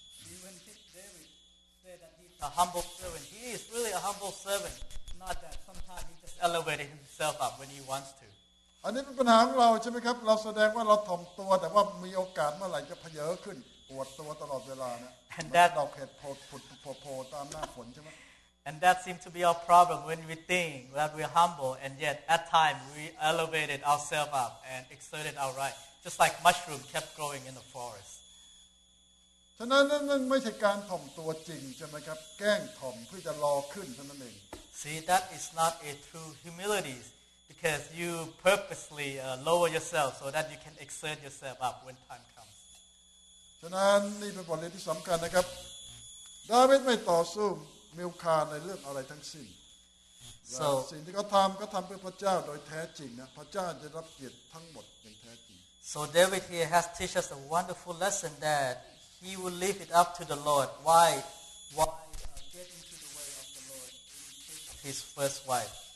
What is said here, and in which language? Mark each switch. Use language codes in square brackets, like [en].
[en] Even David said that he's a humble servant. He is really a humble servant. Not that sometimes he just elevated himself up when he wants to. [th] อันนี้เป็นปัญหาของเราใช่ไหมครับเราแสดงว่าเราถ่อมตัวแต่ว่ามีโอกาสเมื่อไหร่จะเพ้อขึ้นปวดตัวตลอดเวลานะ [en] And that [th] ดอกเห็ดโผล่ตามหน้าฝนใช่ไหม [en] And that seems to be our problem when we think that we're humble, and yet at times we elevated ourselves up and exerted our right, just like mushroom kept growing in the forest. [th] ฉะนั้นนั่นไม่ใช่การถ่อมตัวจริงใช่ไหมครับแกล้งถ่อมเพื่อจะรอขึ้นเท่านั้นเอง [en] See, that is not a true humility because you purposely lower yourself so that you can exert yourself up when time comes. [th] ฉะนั้นนี่เป็นบทเรียนที่สำคัญนะครับดาวิดไม่ต่อสู้มีคาในเรื่องอะไรทั้งสิ้น [en] so, [th] สิ่งที่เขาทำก็ทำเพื่อพระเจ้าโดยแท้จริงนะพระเจ้าจะรับเกียรติทั้งหมดอย่างแท้จริง [en] So David here has teach us a wonderful lesson that he will leave it up to the Lord why get into the way of the Lord his first wife